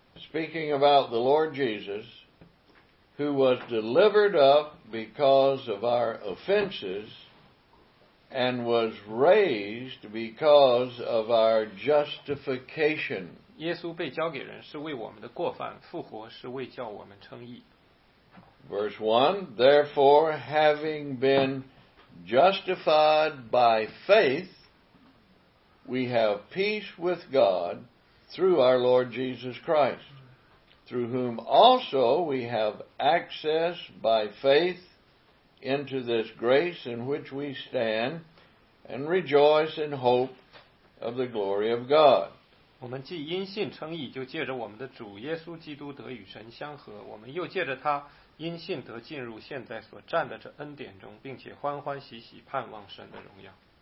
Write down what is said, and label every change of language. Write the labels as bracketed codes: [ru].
[en] Speaking about the Lord Jesus, who was delivered up because of our offenses and was raised because of our justification. [zh] 耶稣被交给人是为我们的过犯，复活是为叫我们称义。 [en] Verse 1, therefore, having been justified by faith, we have peace with God through our Lord Jesus Christ, through whom also we have access by faith into this grace in which we stand and rejoice in hope of the glory of God. [zh] 我们既因信称义，就借着我们的主耶稣基督得与神相合，我们又借着他因信得进入现在所站的这恩典中，并且欢欢喜喜盼望神的荣耀。